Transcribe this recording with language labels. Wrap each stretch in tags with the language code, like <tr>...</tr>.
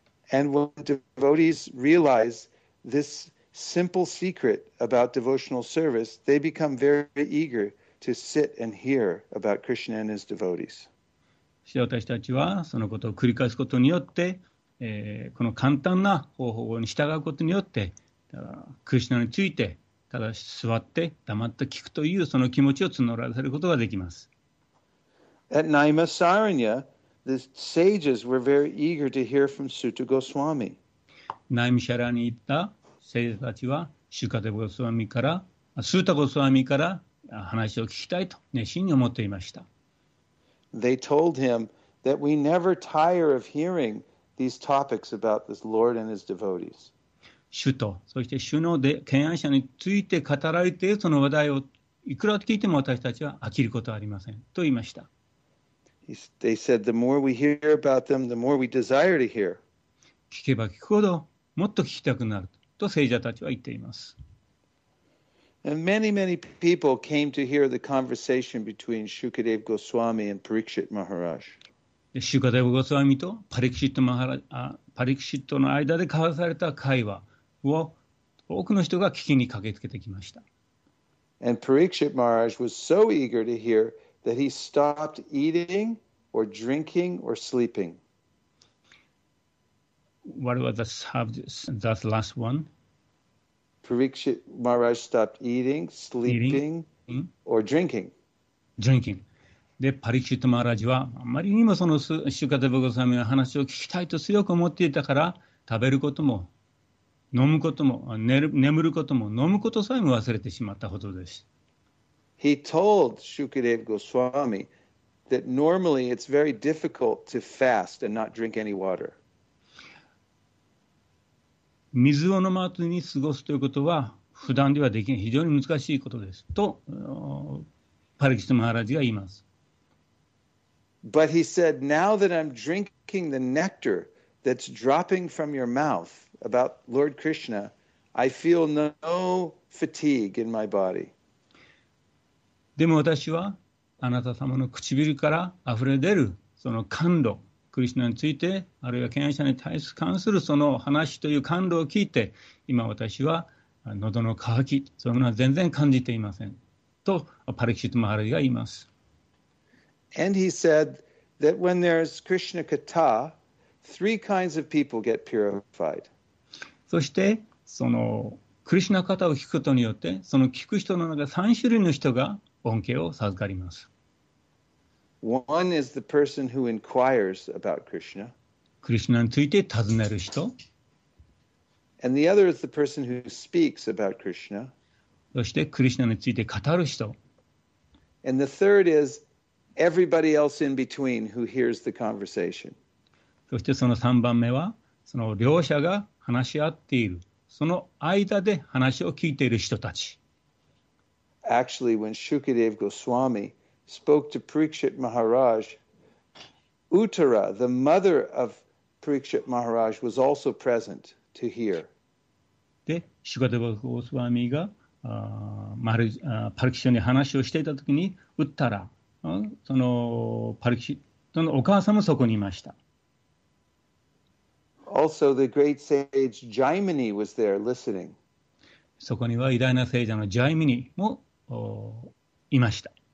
<en>And when devotees realize this simple secret about devotional service, they become very eager to sit and hear about Krishna and his devotees.</en> <ja>そして私たちはそのことを繰り返すことによって、この簡単な方法に従うことによって、クリシュナについて、ただ座って黙って聞くというその気持ちを募らせることができます。</ja> <en>At Naimasaranya, the sages were very eager to hear from Suta Goswami.</en> <ja>Naimasaranya に行った聖者たちは、シュカテゴスワミから、スータゴスワミから話を聞きたいと熱心に思っていました。</ja> <en>They told him that we never tire of hearing these topics about this Lord and his devotees.</en> <ja>主と、そして主ので敬愛者について語られているその話題をいくら聞いても私たちは飽きることはありませんと言いました。</ja> <en>They said, the more we hear about them, the more we desire to hear.</en> <ja>聞けば聞くほど、もっと聞きたくなると聖者たちは言っています。</ja> <en>And many, many people came to hear the conversation between Shukadev Goswami and Parikshit Maharaj.</en> <ja>シュカデヴ・ゴスワミとパリクシットの間で交わされた会話、多くの人が聞きに駆けつけてきました。</ja> <en>And Parikshit Maharaj was so eager to hear that he stopped eating or drinking or sleeping. What was the subject, that last one? Parikshit Maharaj stopped eating, sleeping, eating? Or drinking. Drinking.</en> <ja>で、Parikshit Maharajはあまりにもそのシュカデヴ・ゴスワミの話を聞きたいと強く思っていたから、食べることも飲むことも眠ることも飲むことさえも忘れてしまったほどです。</ja> <en>He told Shukadev Goswami that normally it's very difficult to fast and not drink any water.</en> <ja>水を飲まずに過ごすということは普段ではできない、非常に難しいことですとパリキシマハラジが言います。</ja> <en>But he said, now that I'm drinking the nectar that's dropping from your mouth about Lord Krishna, I feel no fatigue in my body.</en> <ja>でも私はあなた様の唇から溢れ出るその甘露、クリシナについて、あるいは権威者に対する関するその話という甘露を聞いて、今私は喉の渇き、そういうものは全然感じていませんとパリキシッド・マハラジが言います。</ja> <en>And he said that when there's Krishna Katha, three kinds of people get purified.</en> <ja>そしてそのクリシナ語を聞くことによって、その聞く人の中で三種類の人が恩恵を授かります。</ja> <en>One is the person who inquires about Krishna.</en> <ja>クリシナについて尋ねる人。</ja> <en>And the other is the person who speaks about Krishna.</en> <ja>そしてクリシナについて語る人。</ja> <en>And the third is everybody else in between who hears the conversation.</en> <ja>そしてその3番目はその両者が話し合っているその間で話を聞いている人たち。</ja> <en>Actually, when Shukadev Goswami spoke to Parikshit Maharaj, Uttara, the mother of Parikshit Maharaj, was also present to hear.</en> <ja>で、Shukadev Goswami がパリキシに話をしていたときに、ウッタラ、そのパリキシッドのお母さんもそこにいました。</ja> <en>Also, the great sage Jaimini was there listening.</en> <ja>そこには偉大な聖者のジャイミニもいました。</ja>